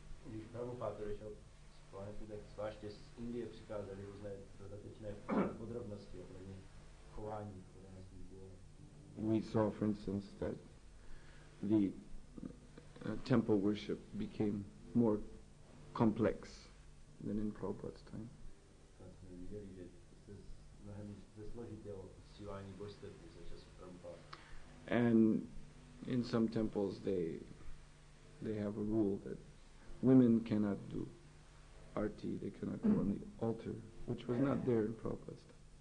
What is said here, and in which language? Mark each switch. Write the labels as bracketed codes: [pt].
[cs] Když Prabhupáda odešel z planety, tak zvláště z Indie přicházely různé dodatečné podrobnosti ohledně chování, které nás vidělo. [en] We saw, for instance, that the temple worship became more complex than in Prabhupada's time. [cs] Tak jsme viděli, že se mnohem zesložitělo uctívání božstev za čas Prabhupáda. [en] And in some temples they have a rule that women cannot do arti, they cannot go on the altar, which was not there in Prabhupada's